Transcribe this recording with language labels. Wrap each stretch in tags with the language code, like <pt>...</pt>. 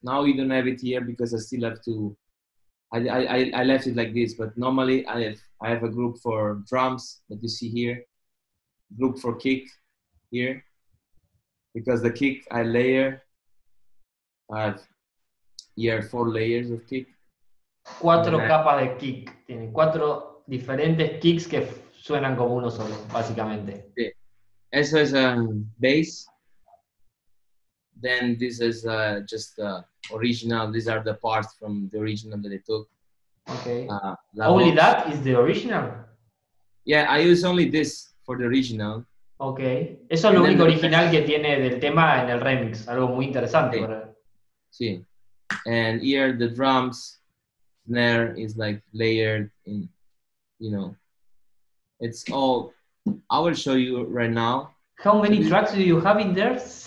<en>Now you don't have it here because I still have to, I left it like this, but normally I have a group for drums that you see here, group for kick here, because the kick I layer, here four layers of kick.</en> <es>Cuatro capas de kick, tiene cuatro diferentes kicks que suenan como uno solo, básicamente.</es> <en>Yeah.</en> <es>Eso es</es> <en>a bass. Then this is just the original. These are the parts from the original that I took. Okay. Only that is the original? Yeah, I use only this for the original. Okay.</en> <es>Eso es lo único original que tiene del tema en el remix. Algo muy interesante. Sí. Okay.</es> <en>And here the drums, snare is like layered in, you know. It's all, I will show you right now. How many tracks do you have in there?</en>